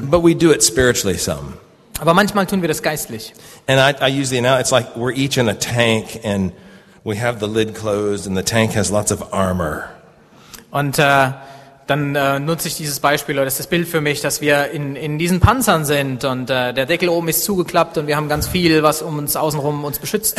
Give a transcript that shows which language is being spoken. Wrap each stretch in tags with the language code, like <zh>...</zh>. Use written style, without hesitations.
<en>But we do it spiritually some.</en> <de>Aber manchmal tun wir das geistlich.</de> <en>And I use the analogy, it's like we're each in a tank and we have the lid closed and the tank has lots of armor.</en> <de>Und dann nutze ich dieses Beispiel oder das ist das Bild für mich, dass wir in diesen Panzern sind und der Deckel oben ist zugeklappt und wir haben ganz viel, was um uns außenrum uns beschützt.</de>